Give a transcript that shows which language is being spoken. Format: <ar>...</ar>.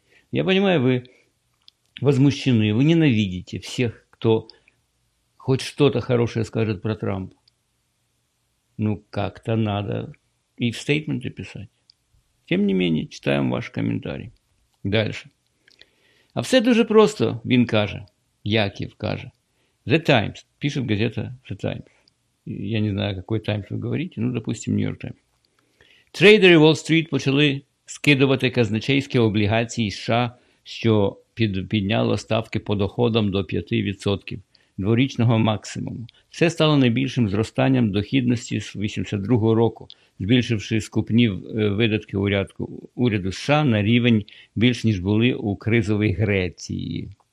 <ru>Я понимаю, вы возмущены, вы ненавидите всех, кто хоть что-то хорошее скажет про Трампа. Ну, как-то надо... И в стейтменте писать. Тем не менее, читаем ваш комментарий. Дальше.</ru> <uk>А все дуже просто, він каже. Яків каже. The Times.</uk> <ru>Пишет газета The Times. Я не знаю, какой Times вы говорите. Ну, допустим, New York Times.</ru> <uk>Трейдери Wall Street почали скидувати казначейські облігації США, що підняло ставки по доходам до 5% дворічного максимуму. Все стало найбільшим зростанням дохідності з 82-го року, збільшивши скупні видатки уряду США на рівень більш, ніж були у кризовій Греції.</uk>